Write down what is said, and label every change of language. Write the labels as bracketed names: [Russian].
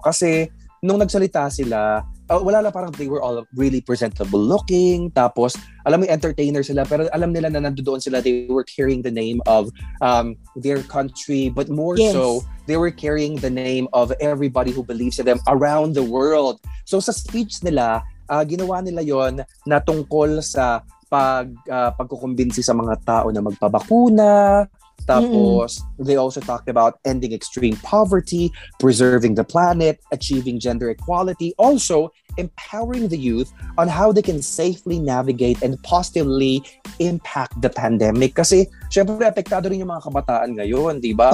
[Filipino] Kasi nung nagsalita sila, wala lang, parang [English] they were all really presentable looking. [Filipino] Tapos, alam mo, entertainer sila. Pero alam nila na nandoon sila, [English] they were carrying the name of their country. But more so, they were carrying the name of everybody who believes in them around the world. [Filipino] So sa speech nila, ginawa nila yon na tungkol sa pagkukumbinsi sa mga tao na magpabakuna. [English] Tapos, they also talked about ending extreme poverty, preserving the planet, achieving gender equality, also empowering the youth on how they can safely navigate and positively impact the pandemic. [Filipino] Kasi, syempre, apektado rin yung mga kabataan ngayon, di ba?